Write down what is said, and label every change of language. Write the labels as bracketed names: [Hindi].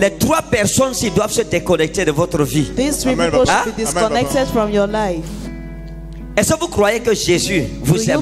[French] Les trois personnes ci doivent se déconnecter de votre vie. [English] These three people should be disconnected from your life. [French] Est-ce que vous croyez que Jésus vous aime?